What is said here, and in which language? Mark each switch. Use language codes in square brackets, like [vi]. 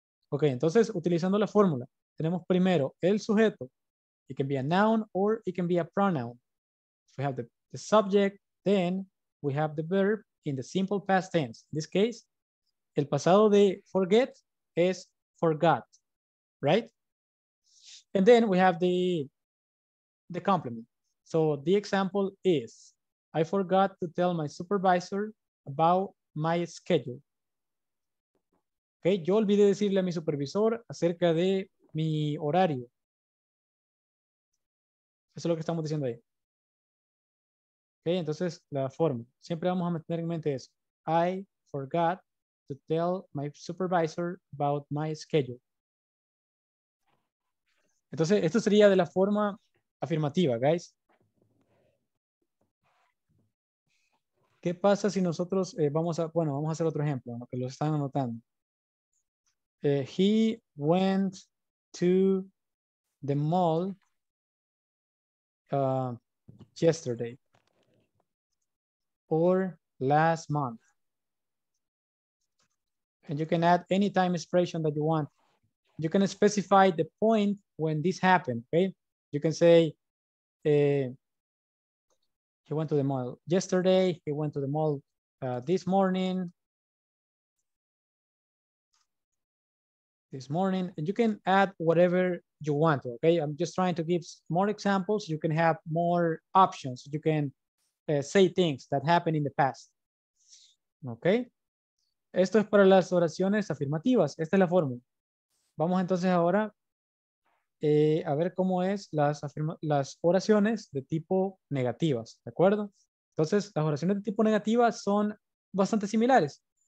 [es] Ok, entonces, utilizando la fórmula, tenemos primero el sujeto. [en] It can be a noun or it can be a pronoun. We have the subject, then we have the verb in the simple past tense. In this case, [es] el pasado de forget es forgot, right? And then we have the complement. So the example is, I forgot to tell my supervisor about my schedule. Okay, yo olvidé decirle a mi supervisor acerca de mi horario. Eso es lo que estamos diciendo ahí. Okay, entonces la forma. Siempre vamos a mantener en mente eso. [en] I forgot to tell my supervisor about my schedule. [es] Entonces, esto sería de la forma afirmativa, guys. ¿Qué pasa si nosotros vamos a hacer otro ejemplo, ¿no? Que lo están anotando. [en] He went to the mall yesterday or last month. And you can add any time expression that you want. You can specify the point when this happened, okay? You can say, he went to the mall yesterday, he went to the mall this morning, and you can add whatever you want, okay? I'm just trying to give more examples. You can have more options. You can say things that happened in the past, okay? [es] Esto es para las oraciones afirmativas. Esta es la fórmula. Vamos entonces ahora a ver cómo es las oraciones de tipo negativas, ¿de acuerdo? Entonces, las oraciones de tipo negativas son bastante similares.